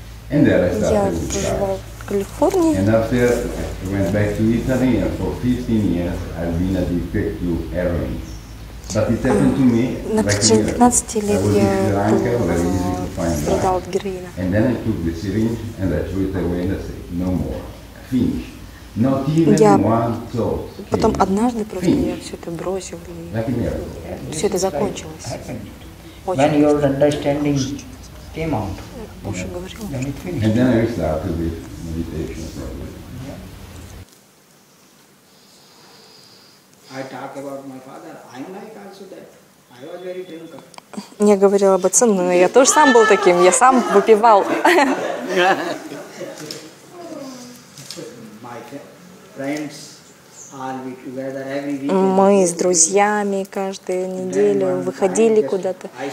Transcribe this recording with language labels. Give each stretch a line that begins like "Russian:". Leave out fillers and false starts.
English: And there I started with darshan. And after I went back to Italy and for 15 years I've been addicted to heroin. But it happened to me like a year. I was in Sri Lanka, and then I took the syringe and I threw it away and I said, no more. Finish. Not even one thought.
Russian: Потом однажды просто я все это бросил и все это закончилось.
English: When your understanding came out. And then I started with meditation probably. I talk about my father. I'm like also that. I was very drunk.
Russian: Я говорил об отце, но я тоже сам был таким. Я сам выпивал.
English: My friends are we together every week.
Russian: Мы с друзьями каждую неделю выходили куда-то.